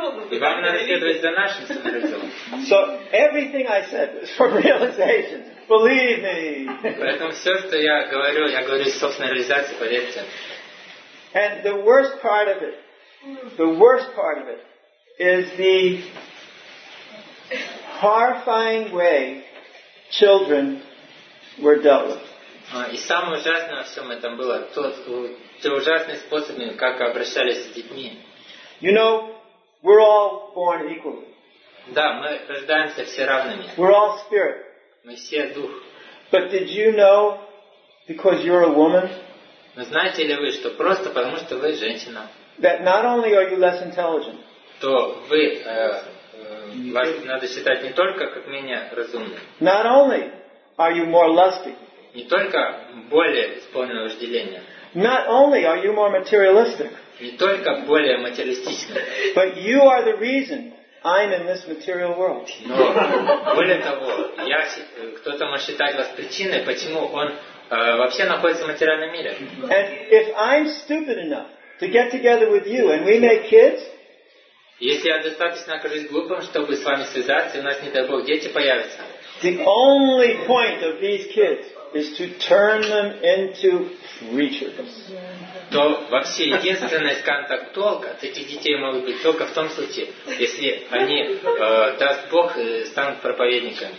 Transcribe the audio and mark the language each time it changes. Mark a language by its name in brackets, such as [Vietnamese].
[Russian] И вам надо следовать за нашим самореализованным. [English] So everything I said is for realization. Believe me. [Russian] Поэтому все, что я говорю из собственной реализации, поверьте. [English] And the worst part of it, the worst part of it, is the horrifying way children were dealt with. [Russian] И самое ужасное во всем этом было те ужасные способы, как обращались с детьми. [English] You know, we're all born equal. [Russian] Да, мы рождаемся все равными. [English] We're all spirit. [Russian] Мы все дух. [English] But did you know, because you're a woman? [Russian] Но знаете ли вы, что просто потому, что вы женщина, [English] that not only are you less intelligent, [Russian] то вы, вас надо считать не только как менее разумным, [English] not only are you more lusty, [Russian] не только более исполненное вожделение, [English] not only are you more materialistic, [Russian] не только более материалистичным, [English] but you are the reason I'm in this material world. [Russian] Но более того, кто-то может считать вас причиной, почему он вообще находится в материальном мире. [English] And if I'm stupid enough to get together with you and we make kids, [Russian] если я достаточно окажусь глупым, чтобы с вами связаться, у нас, не дай бог, дети появятся. [English] The only point of these kids is to turn them into creatures. [Russian] То вообще единственная, скажем так, толка от этих детей может быть только в том случае, если они, даст Бог, станут проповедниками.